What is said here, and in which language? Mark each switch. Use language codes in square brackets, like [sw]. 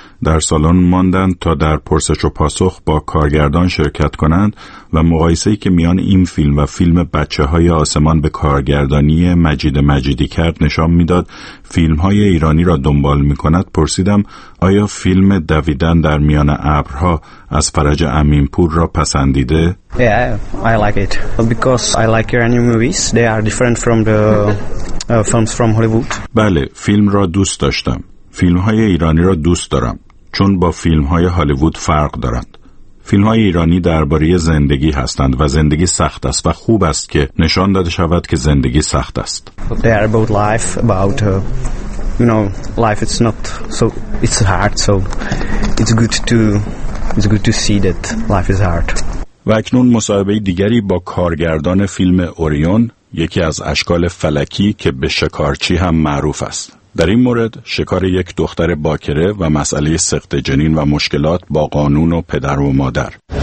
[fa] در سالن ماندند تا در پرسش و پاسخ با کارگردان شرکت کنند و مقایسه‌ای که میان این فیلم و فیلم بچه‌های آسمان به کارگردانی مجید مجیدی کرد نشان می‌داد فیلم‌های ایرانی را دنبال می‌کند. پرسیدم آیا فیلم دویدن در میان ابرها از فرج امینپور را پسندیده؟ [en] Yeah, I like it because I like your new movies. They are different from the films from Hollywood. [fa] بله، فیلم را دوست داشتم. فیلم‌های ایرانی را دوست دارم چون با فیلم‌های هالیوود فرق دارند. فیلم‌های ایرانی درباره زندگی هستند و زندگی سخت است و خوب است که نشان داده شود که زندگی سخت است. [en] They are about life, about you know, life it's not so it's hard, so it's good to see that life is hard. [fa] و اکنون مصاحبه دیگری با کارگردان فیلم اوریون، یکی از اشکال فلکی که به شکارچی هم معروف است. در این مورد شکار یک دختر باکره و مسئله سقط جنین و مشکلات با قانون و پدر و مادر.